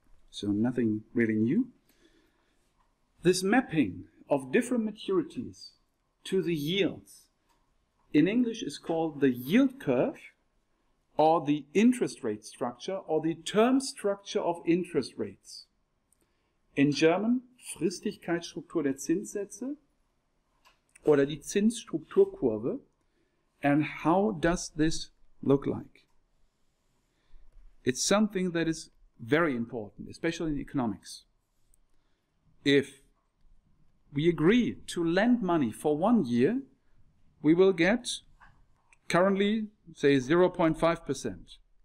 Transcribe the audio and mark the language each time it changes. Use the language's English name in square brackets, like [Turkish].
[English] So nothing really new. This mapping of different maturities to the yields in English is called the yield curve, or the interest rate structure, or the term structure of interest rates. In German, [German] Fristigkeitsstruktur der Zinssätze, oder die Zinsstrukturkurve. [English] And how does this look like? It's something that is very important, especially in economics. If we agree to lend money for 1 year, we will get currently, say, 0.5%.